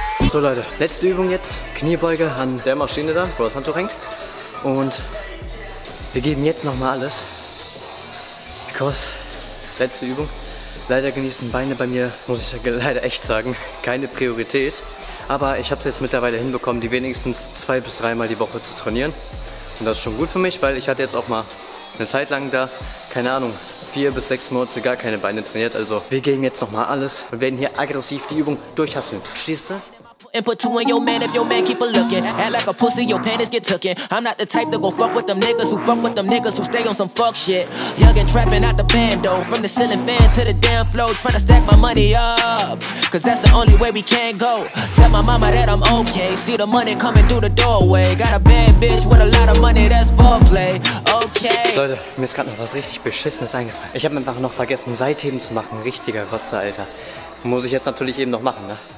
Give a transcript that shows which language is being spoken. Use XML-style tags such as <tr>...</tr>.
<de>So Leute, letzte Übung jetzt, Kniebeuge an der Maschine da, wo das Handtuch hängt, und wir geben jetzt nochmal alles, because letzte Übung, leider genießen Beine bei mir, muss ich leider echt sagen, keine Priorität, aber ich habe es jetzt mittlerweile hinbekommen, die wenigstens 2 bis 3 Mal die Woche zu trainieren, und das ist schon gut für mich, weil ich hatte jetzt auch mal eine Zeit lang da, keine Ahnung, 4 bis 6 Monate gar keine Beine trainiert, also wir geben jetzt nochmal alles und werden hier aggressiv die Übung durchhasseln, verstehst du?</de> <en>And put 2 in your man if your man keep a looking. Act like a pussy, your panties get tooken. I'm not the type to go fuck with them niggas who stay on some fuck shit. Young and trapping out the bando, from the ceiling fan to the damn floor, trying to stack my money up. Cause that's the only way we can go. Tell my mama that I'm okay. See the money coming through the doorway. Got a bad bitch with a lot of money, that's foreplay. Okay.</en> <de>Leute, mir ist gerade noch was richtig Beschissenes eingefallen. Ich hab einfach noch vergessen, Seitheben zu machen. Richtiger Rotzer, Alter. Muss ich jetzt natürlich eben noch machen, ne?</de>